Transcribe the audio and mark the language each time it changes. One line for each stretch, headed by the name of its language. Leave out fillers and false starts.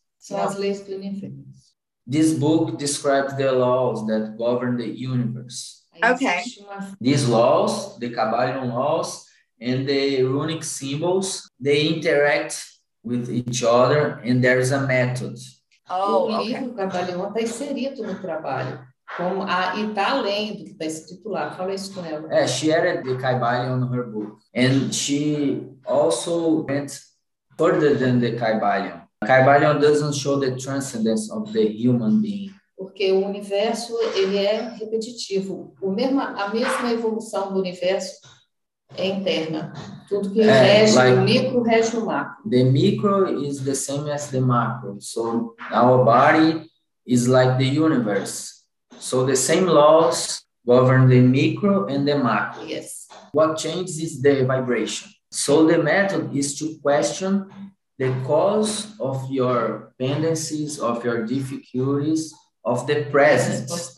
Portuguese: So as leis do universo.
English: This book describes the laws that govern the universe. Okay. These laws, the Kybalion laws, and the runic symbols, they interact with each other, and there is a method.
Portuguese: Oh, okay. O livro Kybalion está inserido no trabalho. Como a, e está além do que está escrito lá. Fala isso com ela.
English: Yeah, she added the Kybalion on her book. And she also went further than the Kybalion. Kybalion doesn't show the transcendence of the human being.
Portuguese: Porque o universo, ele é repetitivo. O mesmo, a mesma evolução do universo é interna. Tudo que rege, like, o micro rege o macro.
English: The micro is the same as the macro. So our body is like the universe. So the same laws govern the micro and the macro. Yes. What changes is the vibration. So the method is to question the cause of your tendencies, of your difficulties, of the present.